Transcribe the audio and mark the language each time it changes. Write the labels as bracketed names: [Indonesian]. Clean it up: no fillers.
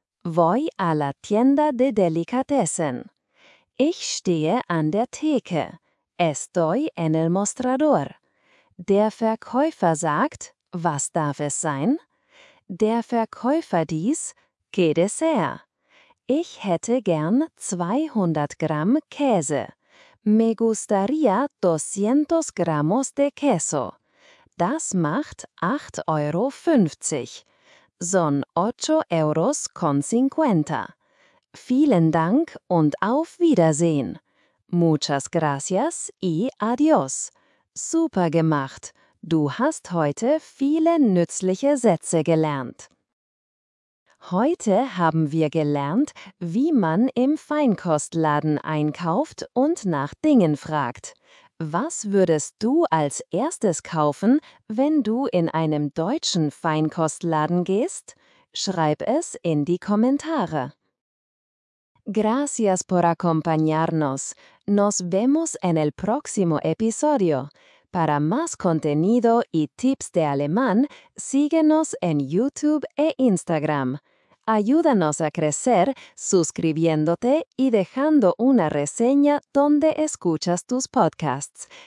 [Spanish] Voy a la tienda de delicatessen. [German] Ich stehe an der Theke. [Spanish] Estoy en el mostrador. [German] Der Verkäufer sagt, was darf es sein? Der Verkäufer [Spanish] dies, que desea? [German] Ich hätte gern 200 Gramm Käse. [Spanish] Me gustaría 200 gramos de queso. [German] Das macht 8,50 Euro. [Spanish] Son 8 euros con 50. [German] Vielen Dank und auf Wiedersehen. [Spanish] Muchas gracias y adiós. [German] Super gemacht. Du hast heute viele nützliche Sätze gelernt. Heute haben wir gelernt, wie man im Feinkostladen einkauft und nach Dingen fragt. Was würdest du als erstes kaufen, wenn du in einem deutschen Feinkostladen gehst? Schreib es in die Kommentare. [Spanish] Gracias por acompañarnos. Nos vemos en el próximo episodio. Para más contenido y tips de alemán, síguenos en YouTube e Instagram. Ayúdanos a crecer suscribiéndote y dejando una reseña donde escuchas tus podcasts.